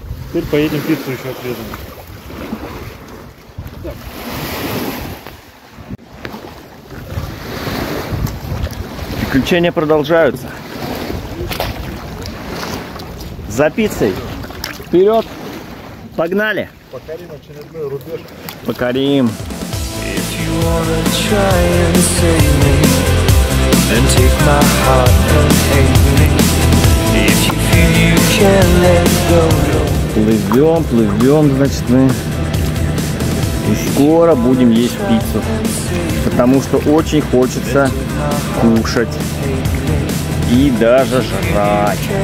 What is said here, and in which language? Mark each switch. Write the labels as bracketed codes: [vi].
[ru] Теперь поедем пиццу еще отрезаем. Приключения продолжаются. За пиццей. Вперед. Погнали. Покорим очередной рубеж. Покорим. [en] If you wanna try and save me, then take my heart and take me. If you feel you can let go. [ru] Плывем, плывем, значит, мы. И скоро будем есть пиццу. Потому что очень хочется кушать. И даже жрать.